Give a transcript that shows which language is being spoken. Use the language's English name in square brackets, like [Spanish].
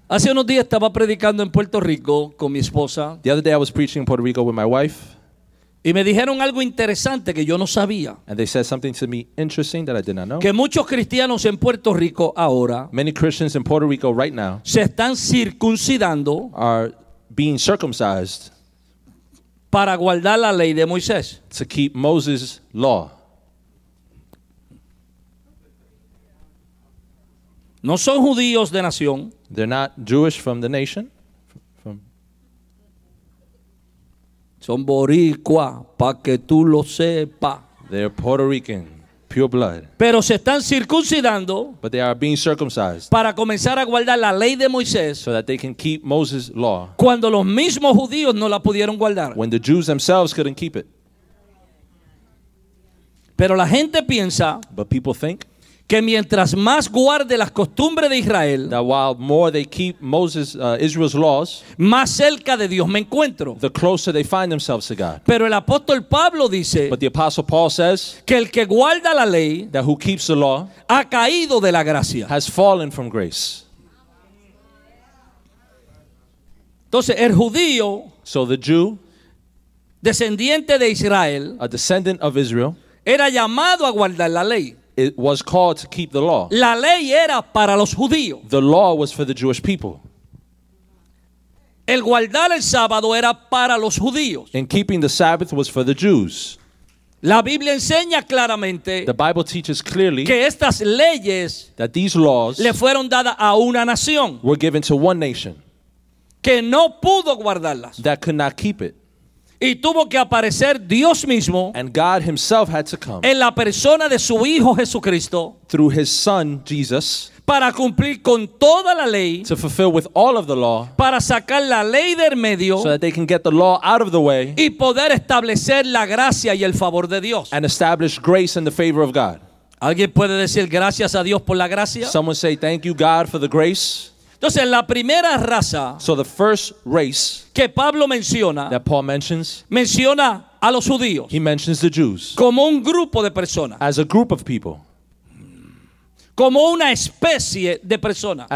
[Spanish] Hace unos días estaba predicando en Puerto Rico con mi esposa. [English] The other day I was preaching in Puerto Rico with my wife. [Spanish] Y me dijeron algo interesante que yo no sabía. [English] And they said something to me interesting that I did not know. [Spanish] Que muchos cristianos en Puerto Rico ahora, [English] many Christians in Puerto Rico right now, [Spanish] se están circuncidando, [English] are being circumcised, [Spanish] para guardar la ley de Moisés. [English] To keep Moses' law. [Spanish] No son judíos de nación. [English] They're not Jewish from the nation. [Spanish] Son boricua, pa' que tú lo sepas. [English] They're Puerto Rican, pure blood. [Spanish] Pero se están circuncidando. [English] But they are being circumcised. [Spanish] Para comenzar a guardar la ley de Moisés. [English] So that they can keep Moses' law. [Spanish] Cuando los mismos judíos no la pudieron guardar. [English] When the Jews themselves couldn't keep it. [Spanish] Pero la gente piensa. [English] But people think. [Spanish] Que mientras más guarde las costumbres de Israel, [English] that while more they keep Moses, Israel's laws, [Spanish] más cerca de Dios me encuentro, [English] the closer they find themselves to God. [Spanish] Pero el apóstol Pablo dice, [English] but the apostle Paul says, [Spanish] que el que guarda la ley, [English] that who keeps the law, [Spanish] ha caído de la gracia, [English] has fallen from grace. [Spanish] Entonces el judío, [English] so the Jew, [Spanish] descendiente de Israel, [English] a descendant of Israel, [Spanish] era llamado a guardar la ley. [English] It was called to keep the law. [Spanish] La ley era para los judíos. [English] The law was for the Jewish people. [Spanish] El guardar el sábado era para los judíos. [English] And keeping the Sabbath was for the Jews. [Spanish] La Biblia enseña claramente, [English] the Bible teaches clearly, [Spanish] que estas leyes, [English] that these laws, [Spanish] le fueron dadas a una nación, [English] were given to one nation, [Spanish] que no pudo guardarlas, [English] that could not keep it. [Spanish] Y tuvo que aparecer Dios mismo, [English] and God himself had to come, [Spanish] en la persona de su Hijo Jesucristo, [English] through his Son Jesus, [Spanish] para cumplir con toda la ley, [English] to fulfill with all of the law, [Spanish] para sacar la ley del medio, [English] so that they can get the law out of the way, [Spanish] y poder establecer la gracia y el favor de Dios, [English] and establish grace and the favor of God. [Spanish] ¿Alguien puede decir gracias a Dios por la gracia? [English] Someone say thank you God for the grace. [Spanish] Entonces la primera raza, [English] so the first race, [Spanish] que Pablo menciona, [English] that Paul mentions, [Spanish] menciona a los judíos, [English] he mentions the Jews, [Spanish] como un grupo de personas, [English] as a group of people, [Spanish] como una especie de personas,